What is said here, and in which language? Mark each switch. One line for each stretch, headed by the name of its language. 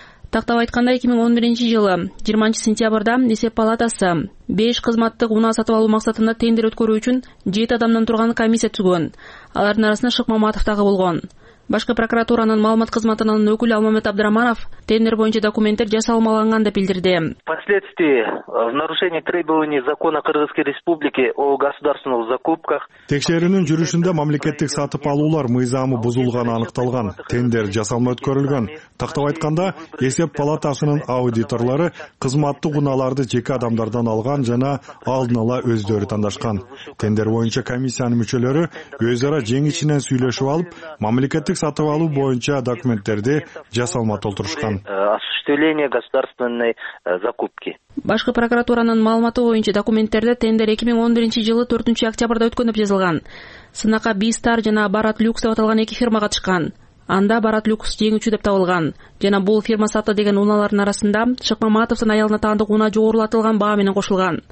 Kyrgyz: Тактап айтканда 2011 жылы 20 сентябрда Эсеп палатасы 5 кызматтык унаа сатып алуу максатында тендер өткөрүү үчүн 7 адамдан турган комиссия түзгөн. Алардын арасында Шыкмаматов дагы болгон. Башкы прокуратуранын маалымат кызматынын өкүлү Алмамбет Абдраманов тендер боюнча документтер жасалмаланган деп билдирди.
Russian: Впоследствии в нарушении требований закона Кыргызской Республики о государственных закупках.
Kyrgyz: Текшерүүнүн жүрүшүндө мамлекеттик сатып алуулар мыйзамы бузулганы аныкталган, тендер жасалма өткөрүлгөн. Тактап айтканда, Эсеп палатасынын аудиторлору кызматтык унааларды жеке адамдардан алган жана алдын ала өздөрү тандашкан. Тендер боюнча комиссиянын мүчөлөрү өз ара жең ичинен сүйлөшүп алып, мамлекеттик сатып алуу боюнча документтерди жасалма толтурушкан.
Russian: Осуществление государственной закупки.
Kyrgyz: Башкы прокуратуранын маалыматы боюнча документтерде тендер 2011 жылы 4 октябрда өткөн деп жазылган. Сынакка Бистар жана Барат Люкс деп аталган эки фирма катышкан. Анда Барат Люкс жеңүүчү деп табылган жана бул фирма сатты деген унаалардын арасында Шыкмаматовдун аялына таандык унаа жогорулатылган баа менен кошулган.